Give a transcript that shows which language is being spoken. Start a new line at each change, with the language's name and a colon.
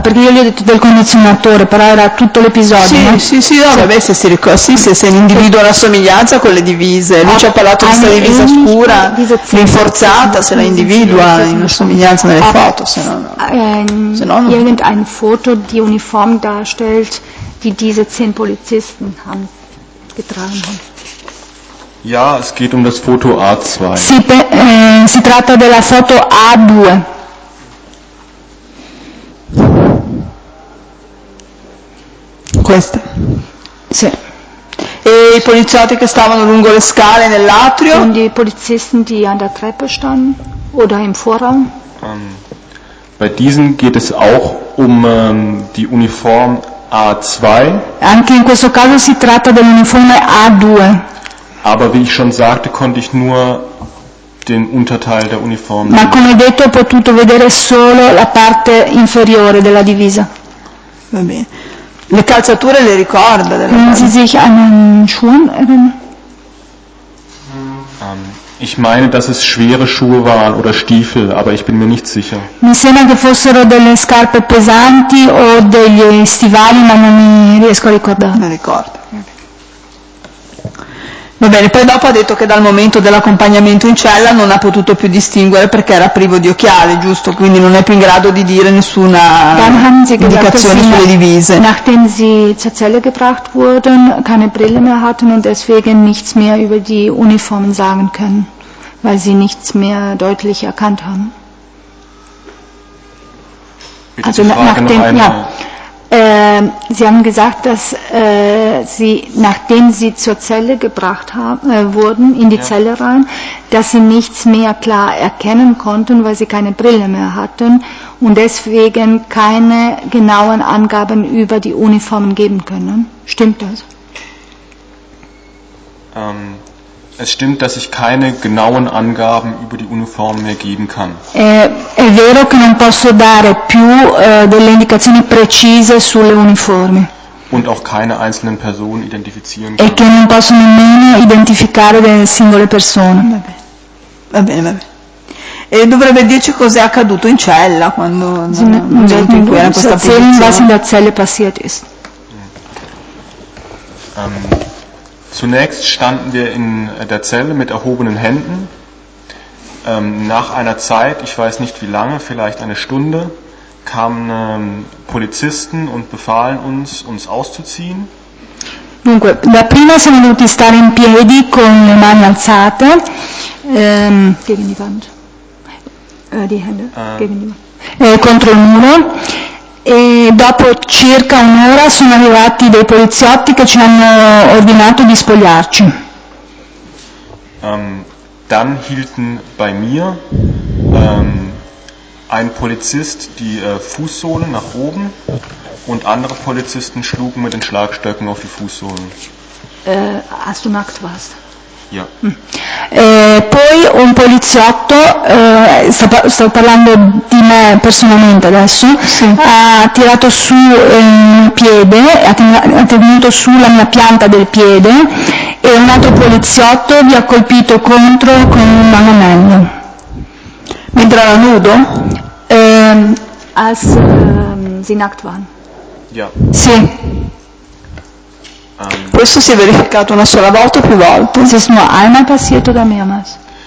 Italian: Perché io gli ho detto del condizionatore, però era tutto l'episodio. Sì, no? Sì, sì, no, vabbè, se si ricorda, sì, se individua la somiglianza con le divise. Lui ci ha parlato di questa divisa scura, rinforzata, se la individua in una somiglianza nelle foto, se no. Se no, no.
German: Irgendein Foto di uniform darstellt, die diese 10 Polizisten haben getragen. Ja, es geht das Foto A2.
Italian: Si tratta della foto A2. Questa. Sì. E i poliziotti che stavano lungo le scale nell'atrio?
German: Und die Polizisten, die an der Treppe standen oder im Vorraum? Bei diesen geht es auch die Uniform A2.
Italian: Anche in questo caso si tratta dell'uniforme A2.
German: Aber wie ich schon sagte, konnte ich nur den Unterteil der Uniform.
Italian: Ma come detto, ho potuto vedere solo la parte inferiore della divisa. Va bene. Le calzature le ricorda?
German: Können Sie sich an den Schuhen erinnern? Ich meine, dass es schwere Schuhe waren oder Stiefel, aber ich bin mir nicht sicher.
Italian: Mi sembra che fossero delle scarpe pesanti o degli stivali, ma non mi riesco a ricordare. Non ricordo. Va bene, poi dopo ha detto che dal momento dell'accompagnamento in cella non ha potuto più distinguere perché era privo di occhiali, giusto? Quindi non è più in grado di dire nessuna indicazione sulle divise.
German: Nachdem sie zur Zelle gebracht wurden, keine Brille mehr hatten und deswegen nichts mehr über die Uniformen sagen können, weil sie nichts mehr deutlich erkannt haben. Also nachdem, ja, Sie haben gesagt, dass Sie, nachdem Sie zur Zelle gebracht wurden, in die Zelle rein, dass Sie nichts mehr klar erkennen konnten, weil Sie keine Brille mehr hatten und deswegen keine genauen Angaben über die Uniformen geben können. Stimmt das? Es stimmt, dass ich keine genauen Angaben über die Uniform mehr geben kann.
Italian: È vero che non posso dare più delle indicazioni precise sulle uniformi.
German: Und auch keine einzelnen Personen identifizieren kann.
Italian: E che non posso nemmeno identificare delle singole persone. Va bene. E dovrebbe dirci cos'è accaduto in cella quando
German: in der Zelle passiert ist. Zunächst standen wir in der Zelle mit erhobenen Händen. Nach einer Zeit, ich weiß nicht wie lange, vielleicht eine Stunde, kamen Polizisten und befahlen uns, uns auszuziehen.
Italian: Dunque, da prima siamo dovuti stare in piedi con le mani alzate.
German: Gegen die Wand. Die Hände. Gegen die Wand.
Italian: Contro il muro. E dopo circa un'ora sono arrivati dei poliziotti che ci hanno ordinato di spogliarci.
German: Dann hielten bei mir ein Polizist die Fußsohlen nach oben und andere Polizisten schlugen mit den Schlagstöcken auf die Fußsohlen. Hast du nackt was? Ja.
Italian: Poi un poliziotto, sto parlando di me personalmente adesso, sì. Ha tirato su un piede, ha tenuto su la mia pianta del piede e un altro poliziotto mi ha colpito contro con un manganello. Mentre era nudo?
German: Als sie nackt waren. Ja.
Italian: Sì. Questo si è verificato una sola volta o più volte?
German: Es ist nur einmal passiert oder mehrmals?